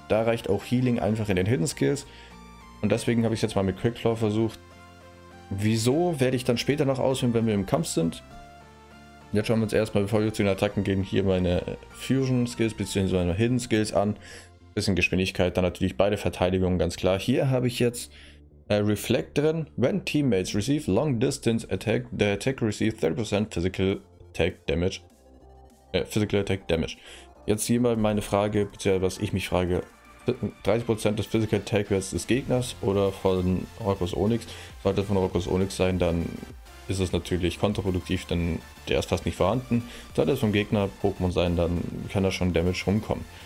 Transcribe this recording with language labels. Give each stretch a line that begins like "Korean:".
German: Da reicht auch Healing einfach in den Hidden Skills und deswegen habe ich es jetzt mal mit Quicklaw versucht. Wieso, werde ich dann später noch auswählen, wenn wir im Kampf sind. Jetzt schauen wir uns erstmal, bevor wir zu den Attacken gehen, hier meine Fusion Skills bzw. meine Hidden Skills an. Bisschen Geschwindigkeit, dann natürlich beide Verteidigungen, ganz klar. Hier habe ich jetzt Reflect drin.
English: When teammates receive long distance attack, the attack receives 30% physical attack damage. Physical attack damage.
German: Jetzt hier mal meine Frage, beziehungsweise was ich mich frage: 30% des Physical Attack Werts des Gegners oder von Roccos Onyx? Sollte von Roccos Onyx sein, dann ist es natürlich kontraproduktiv, denn der ist fast nicht vorhanden. Sollte es vom Gegner Pokémon sein, dann kann da schon Damage rumkommen.